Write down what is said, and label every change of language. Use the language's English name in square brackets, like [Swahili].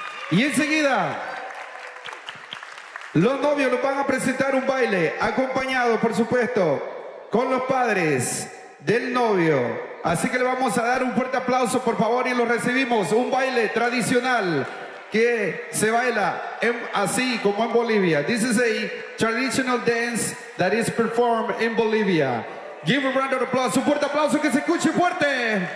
[Spanish] Y enseguida, los novios nos van a presentar un baile, acompañado, por supuesto, con los padres del novio. Así que le vamos a dar un fuerte aplauso, por favor, y lo recibimos. Un baile tradicional que se baila en, así como en Bolivia. [English] This is a traditional dance that is performed in Bolivia. Give a round of applause. [Spanish] Un fuerte aplauso, que se escuche fuerte.